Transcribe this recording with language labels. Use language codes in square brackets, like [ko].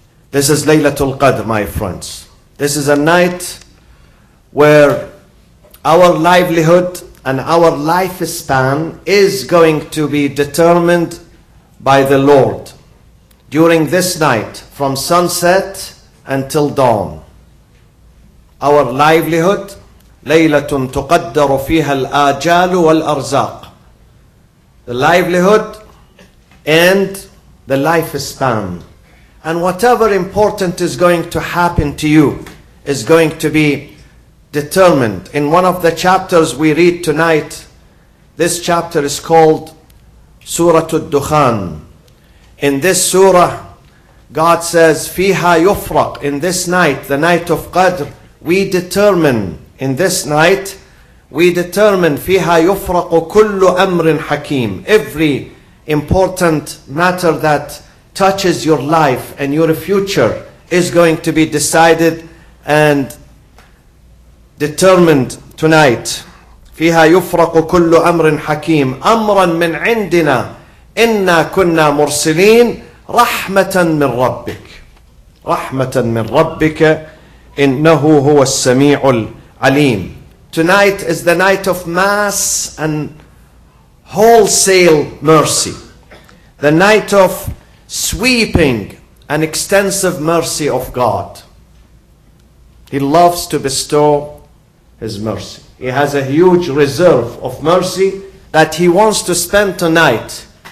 [en] This is Laylatul Qadr, my friends. This is a night where our livelihood and our lifespan is going to be determined by the Lord during this night, from sunset until dawn. Our livelihood, [ar] ليلة تقدر فيها الآجال والأرزاق. [en] The livelihood and the lifespan. And whatever important is going to happen to you is going to be determined. In one of the chapters we read tonight, this chapter is called Surah Al-Dukhan. In this surah, God says, [ar] فيها يفرق. [en] In this night, the night of Qadr, we determine. In this night, we determine, [ar] فيها يفرق كل أمر حكيم. [en] Every important matter that touches your life and your future is going to be decided and determined tonight. [ar] فيها يفرق كل أمر حكيم. أمرا من عندنا إنا كنا مرسلين رحمة من ربك. رحمة من ربك إنه هو السميع عليم. [en] Tonight is the night of mass and wholesale mercy, the night of sweeping and extensive mercy of God. He loves to bestow His mercy. He has a huge reserve of mercy that He wants to spend tonight.